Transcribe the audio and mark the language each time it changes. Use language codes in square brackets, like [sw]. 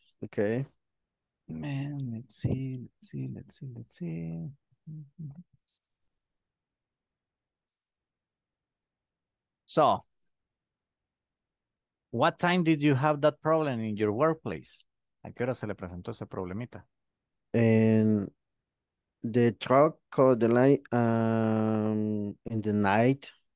[en] Okay. Man, let's see, let's see, let's see, let's see. So, what time did you have that problem in your workplace? [es] ¿A qué hora se le presentó ese problemita? [en] And the truck called the line in the night.